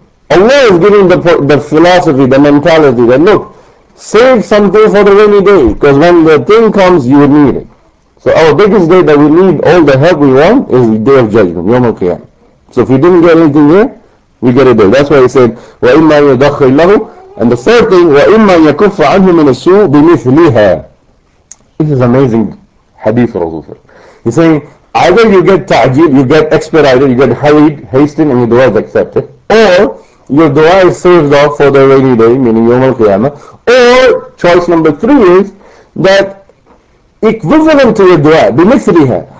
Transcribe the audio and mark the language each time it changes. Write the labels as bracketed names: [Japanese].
[English] Allah is giving the philosophy, the mentality that, look, save something for the rainy day, because when the thing comes, you will need it. So our biggest day that we need all the help we want is the Day of Judgment, Yom HaQiyam. So if we didn't get anything here, we get it there. That's why he said, [Arabic] وَإِمَّا يَدَخِّلْ لَهُ. [English] And the third thing, [Arabic] وَإِمَّا يَكُفَّ عَنْهُ مِنَ السُّوءُ بِمِثْلِهَا. [English] This is amazing hadith of Rasulullah. He's saying, either you get ta'jeel, you get expedited, you get hurried, hastened, and your dua is accepted, or your dua is saved off for the rainy day, meaning Yom HaQiyamah, or choice number three is that equivalent to your dua, بِمِثْلِهَا.